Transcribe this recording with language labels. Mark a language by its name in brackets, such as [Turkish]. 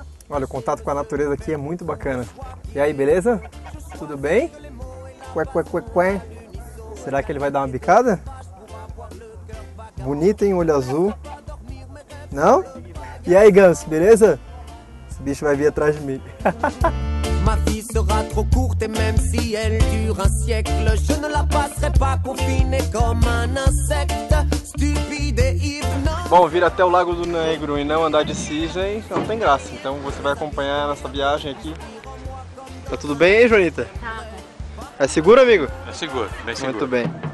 [Portuguese] Olha, o contato com a natureza aqui é muito bacana. E aí, beleza? Tudo bem? Quê, quê, quê, quê. Será que ele vai dar uma bicada? Bonito, hein? Olho azul. Não? E aí, ganso, beleza? Esse bicho vai vir atrás de mim. [French] Ma vie sera trop courte et même si elle dure un siècle, je ne la passerai pas confinée comme un insecte, stupide et hypnose. [Portuguese] Bom, vir até o Lago do Negro e não andar de cisne não tem graça, então você vai acompanhar nessa viagem aqui. Tá tudo bem aí, Joanita? Tá. É seguro, amigo? É seguro, bem seguro. Muito bem.